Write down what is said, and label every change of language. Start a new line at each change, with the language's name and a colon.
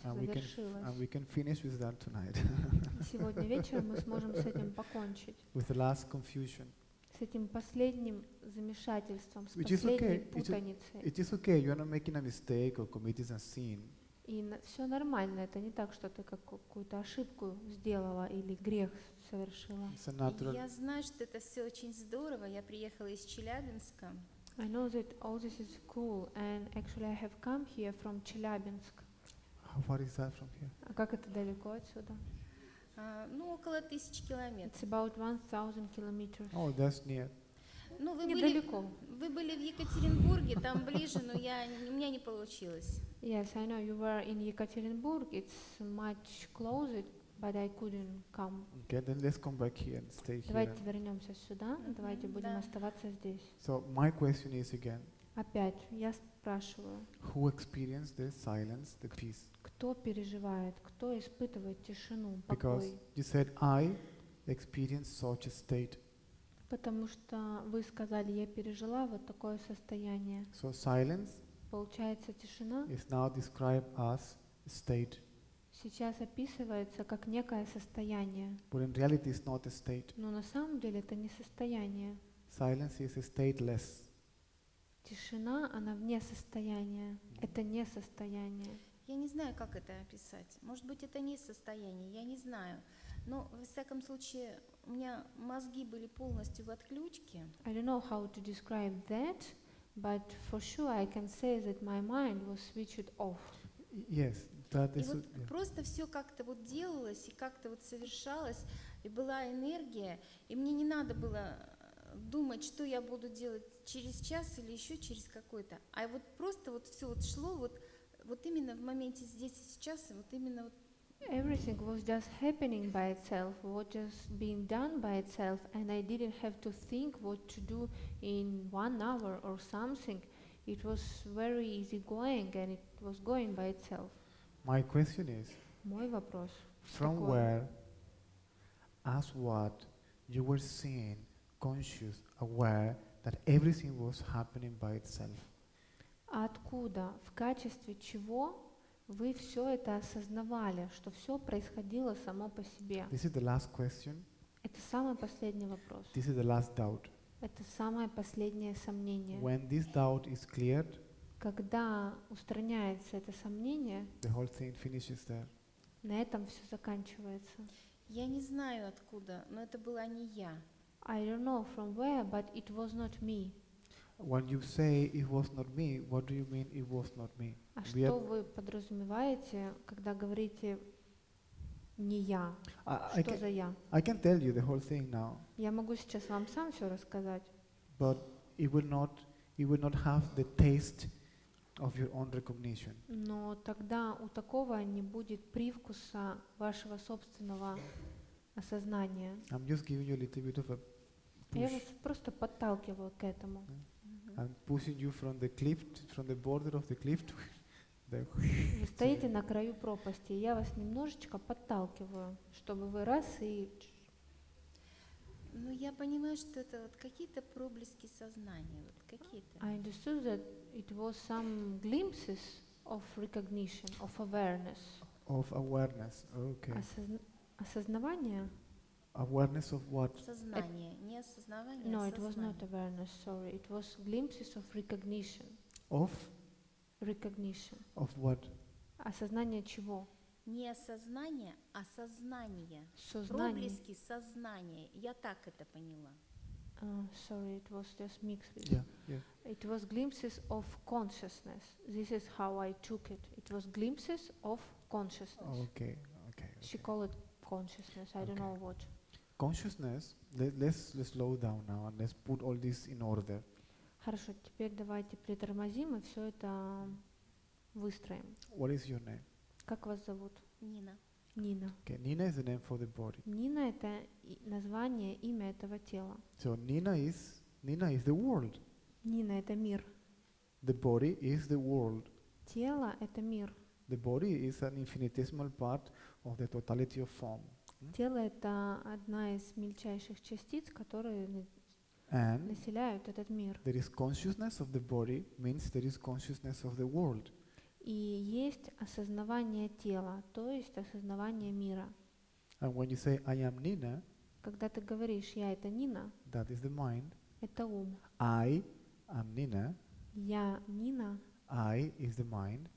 English: and
Russian: завершилось.
English: We can finish with that tonight.
Russian: Сегодня вечером мы сможем с этим покончить.
English: With the last confusion.
Russian: С этим последним замешательством, с последней путаницей.
English: It is okay. You are not making a mistake or committing a sin.
Russian: И все нормально. Это не так, что ты какую-то ошибку сделала или грех совершила. Я знаю, что это все очень здорово. Я приехала из Челябинска.
English: I know that all this is cool, and actually I have come here from Челябинск. How far is that from here?
Russian: А как это далеко отсюда? Ну, около 1000 километров.
English: It's about 1000 kilometers. Oh, that's near.
Russian: Ну, вы недалеко. Вы были в Екатеринбурге, там ближе, но у меня не получилось.
English: Yes, I know you were in Екатеринбург. It's much closer, but I couldn't come. Okay, then let's come back here and stay here.
Russian: Давайте вернемся сюда. Давайте будем оставаться здесь.
English: So my question is again.
Russian: Опять я спрашиваю.
English: Who experienced the silence, the peace?
Russian: Кто переживает, кто испытывает тишину, покой?
English: Because you said I experienced such a state.
Russian: Потому что вы сказали, я пережила вот такое состояние.
English: So silence.
Russian: Получается, тишина.
English: Is now described as state.
Russian: Сейчас описывается как некое состояние.
English: But in reality, it's not a state.
Russian: Но на самом деле это не состояние.
English: Silence is a stateless.
Russian: Тишина, она вне состояния. Это не состояние. Я не знаю, как это описать. Может быть, это не состояние. Я не знаю. Но во всяком случае, у меня мозги были полностью в отключке.
English: I don't know how to describe that, but for sure I can say that my mind was switched off. Yes, that is.
Russian: И вот просто все как-то вот делалось и как-то вот совершалось, и была энергия, и мне не надо было думать, что я буду делать через час или еще через какой-то. А вот просто вот все вот шло вот именно в моменте здесь и сейчас, и вот именно вот.
English: Everything was just happening by itself, was just being done by itself, and I didn't have to think what to do in 1 hour or something. It was very easy going, and it was going by itself. My question is,
Russian: мой вопрос,
English: from where, as what, you were seeing, conscious, aware, that everything was happening by itself.
Russian: Откуда, в качестве чего, вы все это осознавали, что все происходило само по себе.
English: This is the last question.
Russian: Это самый последний вопрос.
English: This is the last doubt.
Russian: Это самое последнее сомнение.
English: When this doubt is cleared,
Russian: когда устраняется это сомнение,
English: the whole thing finishes there.
Russian: На этом все заканчивается. Я не знаю откуда, но это была не я.
English: I don't know from where, but it was not me. When you say it was not me, what do you mean it was not me?
Russian: А что вы подразумеваете, когда говорите не я? Что за я?
English: I can tell you the whole thing now.
Russian: Я могу сейчас вам сам все рассказать.
English: But it will not have the taste of your own recognition.
Russian: Но тогда у такого не будет привкуса вашего собственного осознания.
English: I'm just giving you a little bit of a push.
Russian: Я вас просто подталкиваю к этому.
English: I'm pushing you from the cliff, from the border of the cliff to the.
Russian: Вы стоите на краю пропасти, я вас немножечко подталкиваю, чтобы вы раз и. Ну, я понимаю, что это вот какие-то проблески сознания, вот какие-то.
English: I understood that it was some glimpses of recognition, of awareness. Of awareness, okay.
Russian: осознавание.
English: Awareness of what?
Russian: Сознание, не осознавание.
English: No, it was not awareness. Sorry, it was glimpses of recognition. Of? Recognition. Of what?
Russian: Осознание чего? Не осознание, а сознание. Проблески сознания. Я так это поняла.
English: Sorry, it was just mixed. Yeah, yeah. It was glimpses of consciousness. This is how I took it. It was glimpses of consciousness. Oh, okay, okay. She called it consciousness. I don't know what. Consciousness. Let's slow down now and let's put all this in order.
Russian: Хорошо, теперь давайте притормозим и все это выстроим.
English: What is your name?
Russian: Как вас зовут? Нина. Нина.
English: Okay, Nina is the name for the body.
Russian: Нина это название, имя этого тела.
English: So Nina is the world.
Russian: Нина это мир.
English: The body is the world.
Russian: Тело это мир.
English: The body is an infinitesimal part of the totality of form.
Russian: Тело это одна из мельчайших частиц, которые населяют этот мир.
English: There is consciousness of the body means there is consciousness of the world.
Russian: И есть осознавание тела, то есть осознавание мира.
English: And when you say I am Nina,
Russian: когда ты говоришь я это Нина,
English: that is the mind.
Russian: Это ум.
English: I am Nina.
Russian: Я Нина.
English: I is the mind.